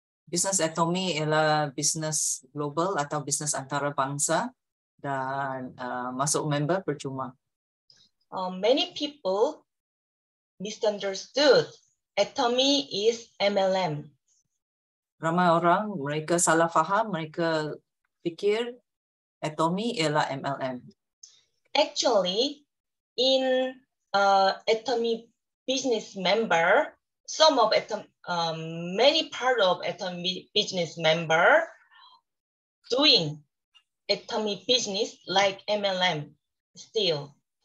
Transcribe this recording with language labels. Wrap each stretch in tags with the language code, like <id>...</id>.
<ms>Business atomy ialah business global atau business antarabangsa dan masuk member percuma.</ms> <en>Many people misunderstood atomy is MLM.</en> <ms>Ramai orang mereka salah faham, mereka fikir atomy ialah MLM.</ms> <en>Actually, in atomy business member, some of many part of atomy business member doing atomy business like MLM still.</en>